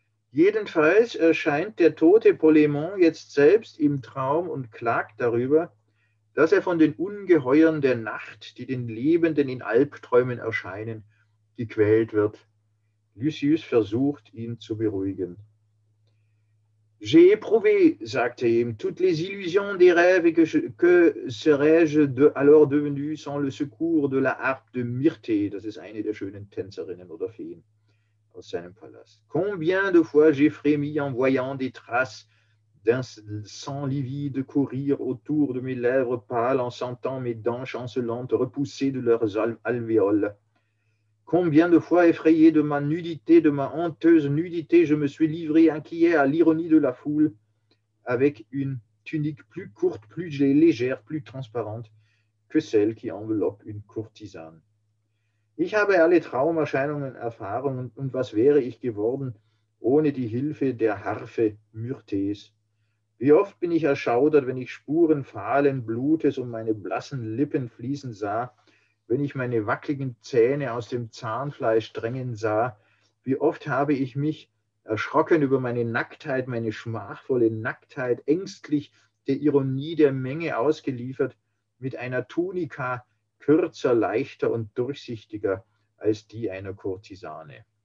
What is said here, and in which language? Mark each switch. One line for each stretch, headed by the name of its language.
German: Jedenfalls erscheint der tote Polémon jetzt selbst im Traum und klagt darüber, dass er von den Ungeheuern der Nacht, die den Lebenden in Albträumen erscheinen, gequält wird. Lysius versucht, ihn zu beruhigen.
French: J'ai éprouvé,
German: sagte er ihm,
French: toutes les illusions des rêves que serais-je alors devenu sans le secours de la harpe de Myrte.
German: Das ist eine der schönen Tänzerinnen oder Feen aus seinem Palast.
French: Combien de fois j'ai frémi en voyant des traces d'un sang livide courir autour de mes lèvres pâles, en sentant mes dents chancelantes repoussées de leurs alvéoles. Combien de fois, effrayé de ma nudité, de ma honteuse nudité, je me suis livré inquiet à l'ironie de la foule avec une tunique plus courte, plus légère, plus transparente que celle qui enveloppe une courtisane.
German: Ich habe alle Traumerscheinungen erfahren und was wäre ich geworden ohne die Hilfe der Harfe Myrtes? Wie oft bin ich erschaudert, wenn ich Spuren fahlen Blutes um meine blassen Lippen fließen sah, wenn ich meine wackeligen Zähne aus dem Zahnfleisch drängen sah, wie oft habe ich mich erschrocken über meine Nacktheit, meine schmachvolle Nacktheit, ängstlich der Ironie der Menge ausgeliefert, mit einer Tunika kürzer, leichter und durchsichtiger als die einer Kurtisane.